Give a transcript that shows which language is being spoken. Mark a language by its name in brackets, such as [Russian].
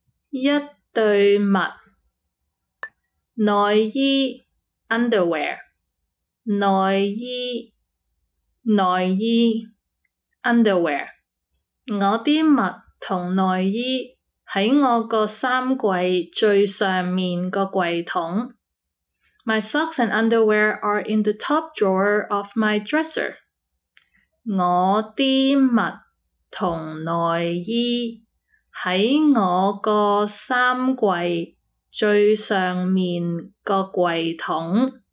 [Cantonese] 一对袜。内衣 underwear. 内衣内衣 underwear. 我的袜同内衣喺我个衫柜最上面个柜桶。 [English] My socks and underwear are in the top drawer of my dresser. [Cantonese] 我的袜同内衣在我个衫柜最上面个柜桶。